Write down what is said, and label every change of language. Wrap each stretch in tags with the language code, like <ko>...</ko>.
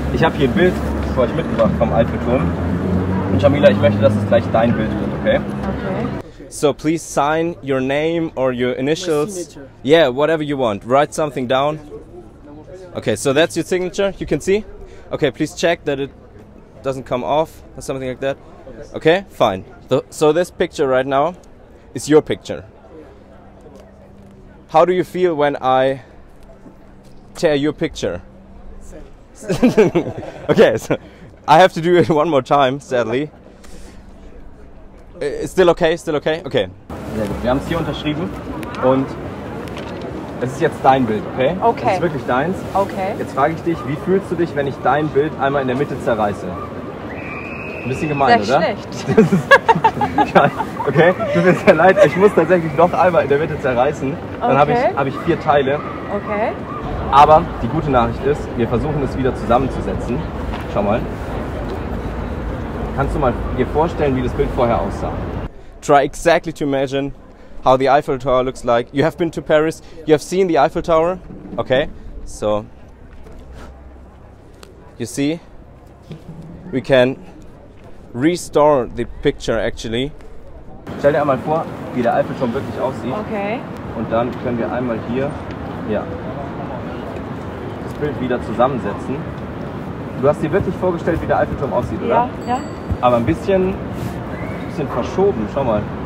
<de>Ich habe hier ein Bild für euch mitgebracht vom Eiffelturm. Und Jamila, ich möchte, dass es gleich dein Bild wird, okay?</de> <en>So please sign your name or your initials. My signature. Yeah, whatever you want. Write something down. Okay, so that's your signature. You can see. Okay, please check that it doesn't come off or something like that. Okay, fine. So this picture right now is your picture. How do you feel when I tear your picture? Okay, so I have to do it one more time, sadly. Still okay, still okay? Okay.</en> <de>Sehr gut. Wir haben es hier unterschrieben und es ist jetzt dein Bild, okay? Okay. Es ist wirklich deins. Okay. Jetzt frage ich dich, wie fühlst du dich, wenn ich dein Bild einmal in der Mitte zerreiße? Ein bisschen gemein, sehr oder? Sehr schlecht. Okay, tut mir sehr leid, ich muss tatsächlich noch einmal in der Mitte zerreißen. Dann okay. hab ich vier Teile. Okay. Aber die gute Nachricht ist, wir versuchen es wieder zusammenzusetzen. Schau mal. Kannst du mal dir vorstellen, wie das Bild vorher aussah?</de> <en>Try exactly to imagine how the Eiffel Tower looks like. You have been to Paris, you have seen the Eiffel Tower. Okay, so you see, we can restore the picture actually.</en> <de>Stell dir einmal vor, wie der Eiffelturm wirklich aussieht. Okay. Und dann können wir einmal hier ja, das Bild wieder zusammensetzen. Du hast dir wirklich vorgestellt, wie der Eiffelturm aussieht, oder? Ja, ja. Aber ein bisschen verschoben, schau mal.</de>